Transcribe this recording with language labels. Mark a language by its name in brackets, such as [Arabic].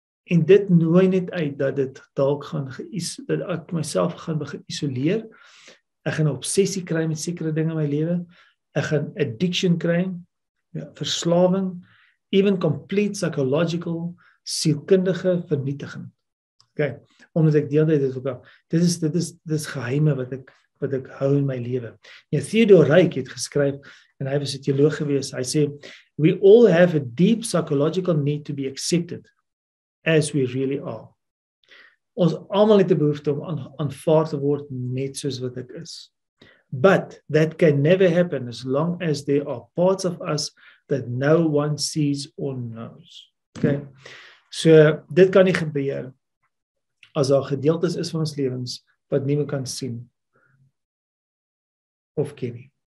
[Afrikaans] En dit nooi net uit dat dit dalk gaan dat ek myself gaan begin isoleer. Ek gaan obsessie kry met sekere dinge in my lewe. Ek gaan addiction kry, ja, verslawing, [English] even complete psychological, [Afrikaans] sielkundige vernietiging. Okay, omdat ek deel dit ook. Dit is geheime wat ek hou in my lewe. Ja, Theodor Reik het geskryf en hy was 'n teoloog gewees. Hy sê [English] we all have a deep psychological need to be accepted as we really are. [Afrikaans] Ons almal het 'n behoefte om aanvaar te word net soos wat ek is. [English] But that can never happen as long as there are parts of us that no one sees or knows. [Afrikaans] Okay. So dit kan nie gebeur as daar gedeeltes is van ons lewens wat niemand kan sien of ken nie.